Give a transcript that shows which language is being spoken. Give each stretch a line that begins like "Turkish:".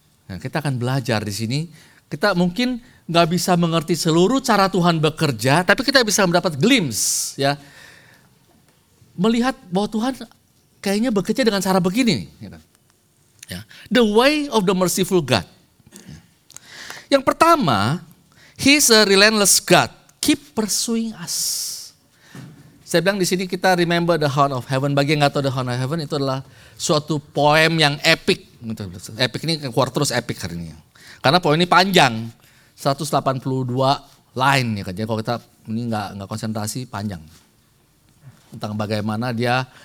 Indonesian: Nah, kita akan belajar di sini. Kita mungkin gak bisa mengerti seluruh cara Tuhan bekerja. Tapi kita bisa mendapat glimpse. Ya. Melihat bahwa Tuhan kayaknya bekerja dengan cara begini.
English: Ya. The way of the merciful God.
Indonesian: Yang pertama,
English: He's a relentless God. Keep pursuing us.
Indonesian: Saya bilang di sini kita remember the Hound of Heaven. Bagi yang gak tahu the Hound of Heaven itu adalah suatu poem yang epic. Epic ini keluar terus epic hari ini. Karena poem ini panjang, 182 line ya kan. Jadi kalau kita ini nggak konsentrasi panjang tentang bagaimana dia.